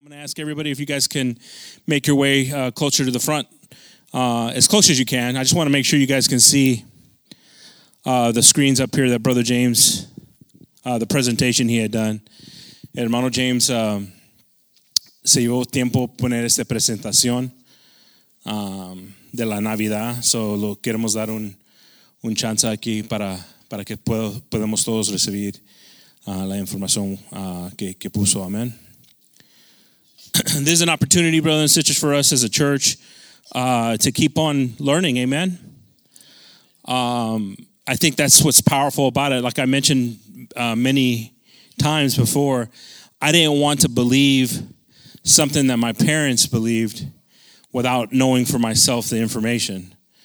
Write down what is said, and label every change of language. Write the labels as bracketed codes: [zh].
[en] going to ask everybody if you guys can make your way closer to the front, as close as you can. I just want to make sure you guys can see the screens up here that Brother James, the presentation he had done. [es] Hermano James, se llevó tiempo poner esta presentación de la Navidad. So lo queremos dar un chance aquí para que podamos todos recibir la información que puso. [en] Amen. This is an opportunity, brothers and sisters, for us as a church to keep on learning. Amen. I think that's what's powerful about it. Like I mentioned many times before, I didn't want to believe something that my parents believed without knowing for myself the information.